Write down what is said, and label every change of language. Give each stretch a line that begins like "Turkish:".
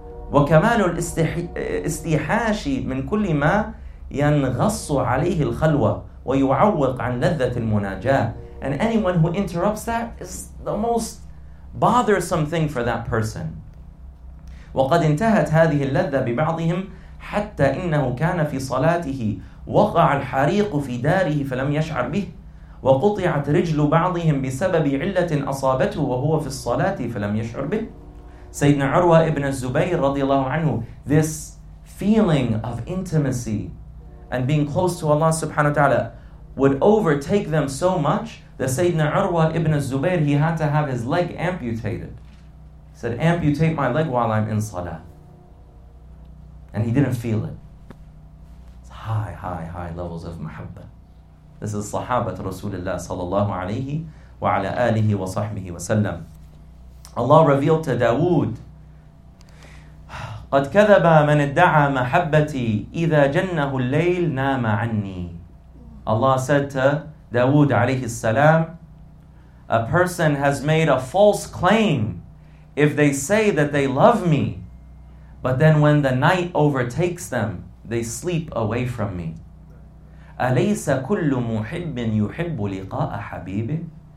Arabic: وَكَمَالُ الْإِسْتِحَاشِ مِنْ كُلِّ مَا يَنْغَصُ عَلَيْهِ الْخَلْوَ وَيُعَوِّقْ عَنْ لَذَّةِ الْمُنَاجَاتِ.
English: And anyone who interrupts that is the most bothersome thing for that person.
Arabic: وَقَدْ انْتَهَتْ هَذِهِ اللَّذَّةِ بِبَعْضِهِمْ حتى إنه كان في صلاته وقع الحريق في داره فلم يشعر به وقطعت رجل بعضهم بسبب علة أصابته وهو في الصلاة فلم يشعر به. سيدنا عروة ابن الزبير رضي الله عنه,
English: this feeling of intimacy and being close to Allah subhanahu wa ta'ala would overtake them so much that Sayyidina Urwa ibn al-Zubayr, he had to have his leg amputated. He said, amputate my leg while I'm in salah. And he didn't feel it. It's high, high, high levels of mahabba. This is sahabat Rasulullah sallallahu alayhi wa ala alihi wa sahbihi wa sallam. Allah revealed to Dawood,
Arabic: قَدْ كَذَبَ مَنِ ادَّعَى مَحَبَّتِي إِذَا جَنَّهُ اللَّيْلِ نَامَ عَنِّي.
English: Allah said to Dawood alayhi salam, a person has made a false claim if they say that they love me, but then when the night overtakes them, they sleep away from me.
Arabic: أَلَيْسَ كُلُّ مُحِبٍ يُحِبُّ لِقَاءَ حَبِيبٍ.